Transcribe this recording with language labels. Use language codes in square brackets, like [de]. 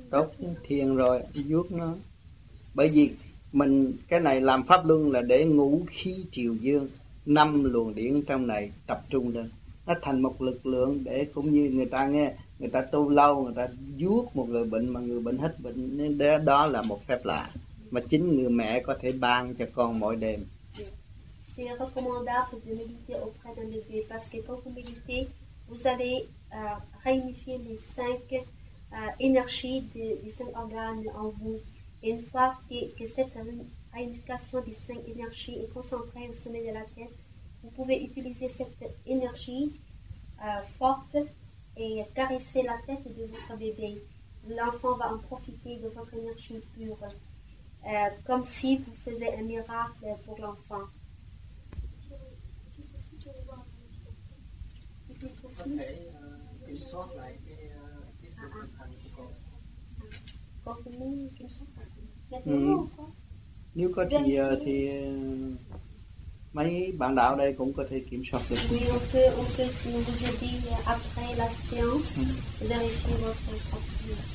[vi] tốt thiền rồi vuốt nó, bởi vì mình cái này làm pháp luân là để ngũ khí triều dương năm luồng điển trong này tập trung lên, nó thành một lực lượng để cũng như người ta nghe, người ta tu lâu người ta vuốt một người bệnh mà người bệnh hết bệnh, nên đó là một phép lạ mà chính người mẹ có thể ban cho con mỗi đêm. [fr] Si recommandable pour vous méditer auprès d'un bébé, parce que quand vous méditez, vous allez réunifier les cinq énergies des cinq organes en vous. Et une fois que cette réunification des cinq énergies est concentrée au sommet de la tête, vous pouvez utiliser cette énergie forte et caresser la tête de votre bébé. L'enfant va en profiter de votre énergie pure, comme si vous faisiez un miracle pour l'enfant. [vi] Có thể kiểm soát lại cái sức khỏe của con. Có muốn kiểm soát lại không? Nếu có thì mấy bạn đạo đây cũng có thể kiểm soát được. [fr] Oui, on peut vous aider après la séance, vérifier votre contenu.